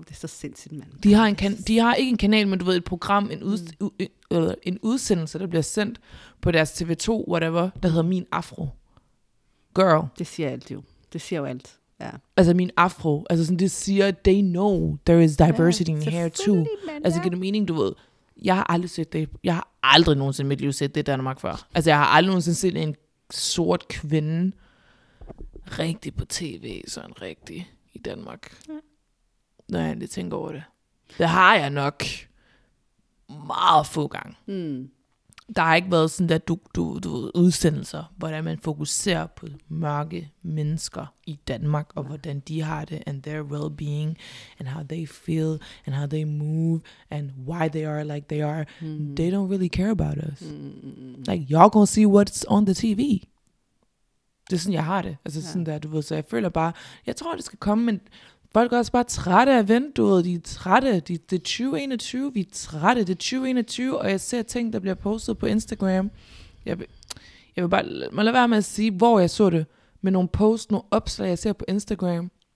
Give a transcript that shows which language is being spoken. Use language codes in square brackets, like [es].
[da] Det er så sindssygt, mand. De har ikke en kanal, men du ved, et program, en udsendelse, der bliver sendt på deres TV2, whatever, der hedder Min Afro. [en] Girl. [da] Det siger alt jo. Det siger jo alt. Ja. Altså min afro. Altså sådan, det siger, [en] they know there is diversity in hair too. Man, [da] altså giver det mening, du ved. jeg har aldrig set det. Jeg har aldrig nogensinde i mit liv set det i Danmark før. Altså, jeg har aldrig nogensinde set en sort kvinde rigtig på tv, sådan rigtig i Danmark. Ja. Når jeg egentlig tænker over det. Det har jeg nok meget få gange. Mm. Der har ikke været sådan der du udsendelser, hvordan man fokuserer på mørke mennesker i Danmark, og hvordan de har det, [en] and their well-being, and how they feel, and how they move, and why they are [da] like they are. Mm-hmm. [en] They don't really care about us. Mm-hmm. Like, y'all gonna see what's on the TV. [da] Det er sådan, jeg har det. Altså sådan der, du ved, så jeg føler bare, jeg tror, det skal komme, men folk er også bare trætte af vinduet, de er trætte, det er 2021, vi er trætte, det er 2021, og jeg ser ting, der bliver postet på Instagram. Jeg vil bare, må lade være med at sige, hvor jeg så det, med nogle posts, nogle opslag, jeg ser på Instagram.